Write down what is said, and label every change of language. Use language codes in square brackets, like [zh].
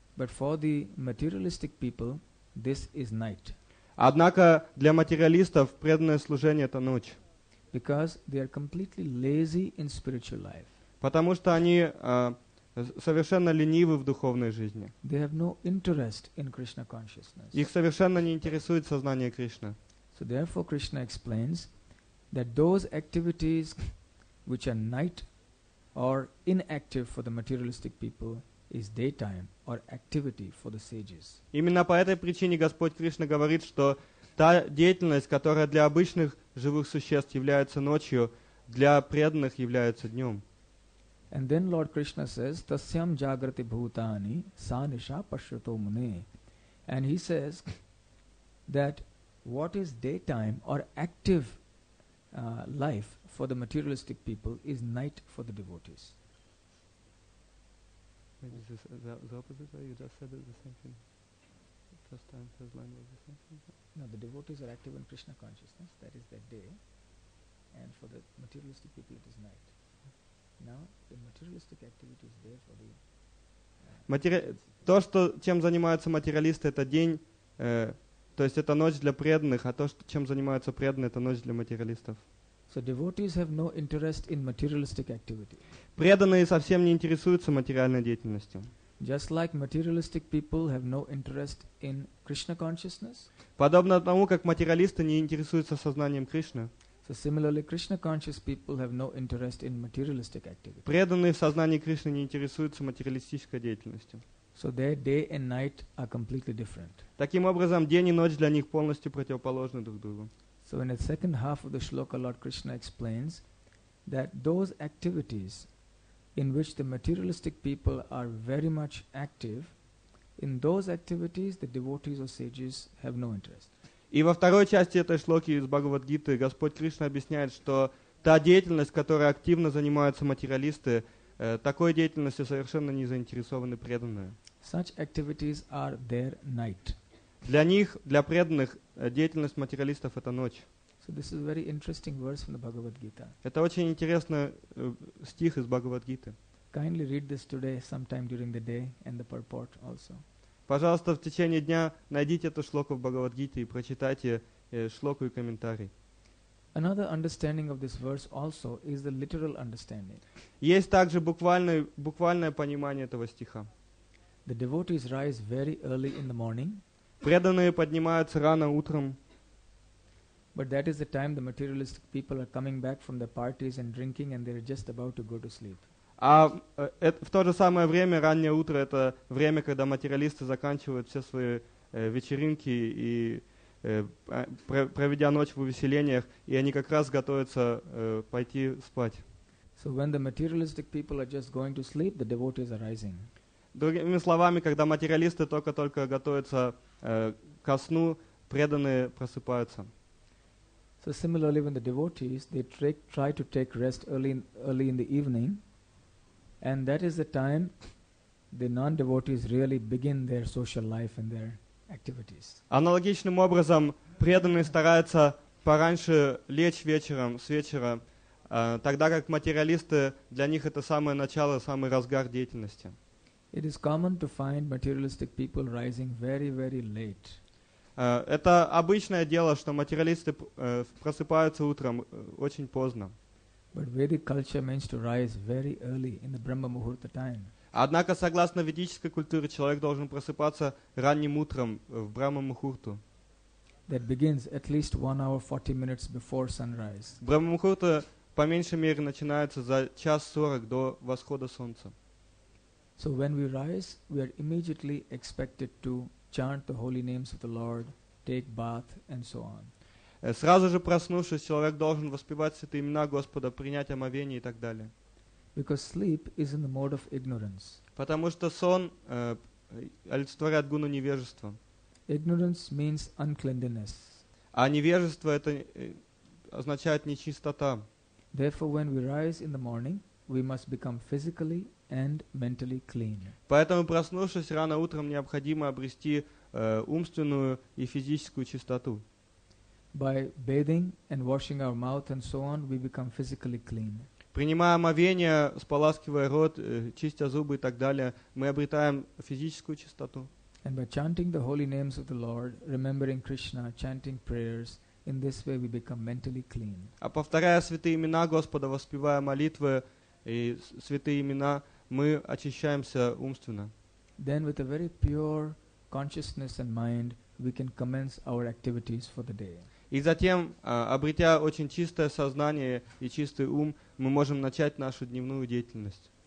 [en] But for the materialistic people, this is night. [ru] Однако для материалистов преданное служение — это ночь. [en] Because they are completely lazy in spiritual life. [ru] Потому что они совершенно ленивы в духовной жизни. [en] They have no interest in Krishna consciousness. [ru] Их совершенно не интересует сознание Кришны. [en] So therefore Krishna explains that those activities which are night or inactive for the materialistic people is daytime or activity for the sages. [ru] Именно по этой причине Господь Кришна говорит, что та деятельность, которая для обычных живых существ является ночью, для преданных является днем. [en] And then Lord Krishna says, [sa] Tasyam jagrati bhutani sa nisha pashyato mune. [en] And he says that what is daytime or active life for the materialistic people is night for the devotees. Maybe this is the opposite way. You just said the same thing. First time, first line was the same thing. No, the devotees are active in Krishna consciousness. That is their day. And for the materialistic people, it is night. Now, the materialistic activity is there for the... [ru] То, что, чем занимаются материалисты, это день... То есть это ночь для преданных, а то, что, чем занимаются преданные, это ночь для материалистов. [en] So devotees have no interest in materialistic activity. [ru] Преданные совсем не интересуются материальной деятельностью. [en] Just like materialistic people have no interest in Krishna consciousness. [ru] Подобно тому, как материалисты не интересуются сознанием Кришны. [en] So similarly, Krishna conscious people have no interest in materialistic activity. [ru] Преданные в сознании Кришны не интересуются материалистической деятельностью. [en] So their day and night are completely different. [ru] Таким образом, день и ночь для них полностью противоположны друг другу. [en] So in the second half of the shloka, Lord Krishna explains that those activities in which the materialistic people are very much active, in those activities the devotees or sages have no interest. [ru] И во второй части этой шлоки из Бхагавад-гиты Господь Кришна объясняет, что та деятельность, которой активно занимаются материалисты, такой деятельностью совершенно не заинтересованы преданные. [en] Such activities are their night. [ru] Для них, для преданных, деятельность материалистов — это ночь. [en] So this is a very interesting verse from the Bhagavad-gita. [ru] Это очень интересный стих из Бхагавад-гиты. [en] Kindly read this today sometime during the day and the purport also. [ru] Пожалуйста, в течение дня найдите эту шлоку в Бхагавад-гите и прочитайте шлоку и комментарий. [en] Another understanding of this verse also is the literal understanding. [ru] Есть также буквальное понимание этого стиха. [en] The devotees rise very early in the morning. [ru] Преданные поднимаются рано утром. [en] But that is the time the materialistic people are coming back from their parties and drinking, and they are just about to go to sleep. [ru] А в то же самое время раннее утро — это время, когда материалисты заканчивают все свои вечеринки и проведя ночь в увеселениях, и они как раз готовятся пойти спать. [en] So when the materialistic people are just going to sleep, the devotees are rising. [ru] Другими словами, когда материалисты только-только готовятся ко сну, преданные просыпаются. [en] So similarly, when the devotees, they try to take rest early in the evening, and that is the time the non-devotees really begin their social life and their activities. [ru] Аналогичным образом, преданные стараются пораньше лечь вечером, с вечера, тогда как материалисты, для них это самое начало, самый разгар деятельности. [en] It is common to find materialistic people rising very, very late. [ru] Это обычное дело, что материалисты просыпаются утром очень поздно. [en] But Vedic culture means to rise very early in the Brahma Muhurta time. [ru] Однако, согласно ведической культуре, человек должен просыпаться ранним утром в Брахма-мухурту. [en] That begins at least 1 hour 40 minutes before sunrise. [ru] Брахма-мухурта, по меньшей мере начинается за 1:40 до восхода солнца. [en] So when we rise, we are immediately expected to chant the holy names of the Lord, take bath, and so on. [ru] Сразу же проснувшись, человек должен воспевать святые имена Господа, принять омовение и так далее. [en] Because sleep is in the mode of ignorance. [ru] Потому что сон олицетворяет гуну невежества. [en] Ignorance means uncleanliness. [ru] А невежество это означает нечистота. [en] Therefore, when we rise in the morning, we must become physically and mentally clean. [ru] Поэтому, проснувшись рано утром, необходимо обрести умственную и физическую чистоту. [en] By bathing and washing our mouth and so on, we become physically clean. [ru] Принимая омовение, споласкивая рот, чистя зубы и так далее, мы обретаем физическую чистоту. [en] And by chanting the holy names of the Lord, remembering Krishna, chanting prayers, in this way we become mentally clean. [ru] А повторяя святые имена Господа, воспевая молитвы и святые имена, мы очищаемся умственно. [en] Then with a very pure consciousness and mind, we can commence our activities for the day. [ru] И затем, обретя очень чистое сознание и чистый ум, мы можем начать нашу дневную деятельность.